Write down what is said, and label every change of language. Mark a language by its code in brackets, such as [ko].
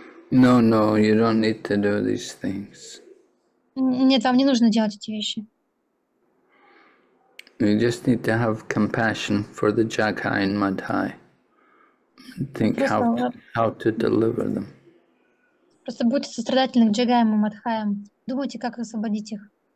[en] No, no, you don't need to do these things. [ru] Нет, вам не нужно делать эти вещи. [en] You just need to have compassion for the Jaghai and Madhai. Think how to deliver them. [ru] Просто будьте сострадательны к Джагаям и Мадхаям. Думайте, как освободить их.